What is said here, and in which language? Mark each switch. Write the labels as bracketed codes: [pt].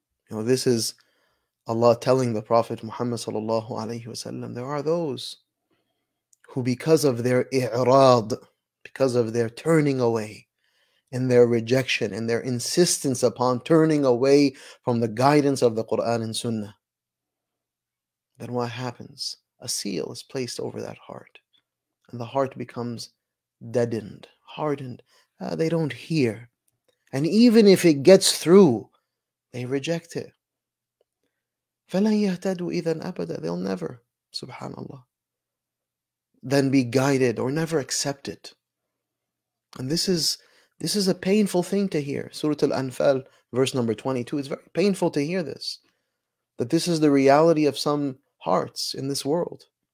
[en] You know, this is Allah telling the Prophet Muhammad sallallahu alayhi wasallam, there are those who, because of their i'rad, because of their turning away and their rejection and their insistence upon turning away from the guidance of the Quran and Sunnah, then what happens? A seal is placed over that heart, and the heart becomes deadened, hardened. They don't hear. And even if it gets through, they reject it. [ar] فَلَن يَهْتَدُوا إِذًا أَبَدًا. [en] They'll never, subhanAllah. than be guided or never accept it. And this is a painful thing to hear. Surah Al-Anfal, verse number 22, it's very painful to hear this, that this is the reality of some hearts in this world.